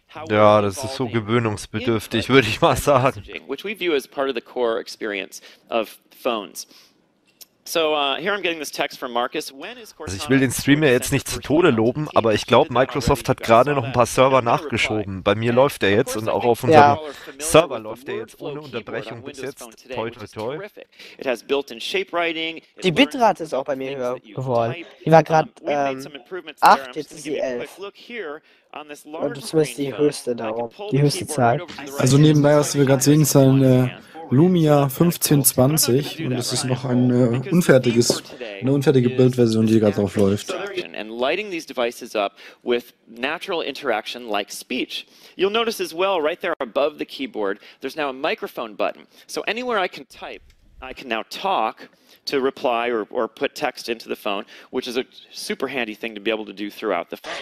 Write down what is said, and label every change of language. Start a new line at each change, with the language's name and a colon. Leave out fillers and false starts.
German: ja, das ist so gewöhnungsbedürftig, würde ich mal sagen.
English: Which we view as part of the core experience of phones. So, here I'm getting this text from Marcus. When is
German: also ich will den Streamer jetzt nicht zu Tode loben, aber ich glaube, Microsoft hat gerade noch ein paar Server nachgeschoben. Bei mir läuft er jetzt und auch auf unserem Server läuft er jetzt ohne Unterbrechung bis jetzt. Toi, toi, toi.
English: It has built-in shape writing.
German: Die Bitrate ist auch bei mir höher geworden. Die war gerade 8, jetzt ist sie 11. Und das ist die höchste da oben, die höchste Zahl. Also nebenbei, was wir gerade sehen, ist ein Lumia 1520 und es ist noch eine unfertige Bildversion, die gerade drauf läuft.
English: And lighting these devices up with natural interaction like speech. You'll notice as well, right there above the keyboard, there's now a microphone button. So anywhere I can type, I can now talk to reply or put text into the phone, which is a super handy thing to be able to do throughout the phone.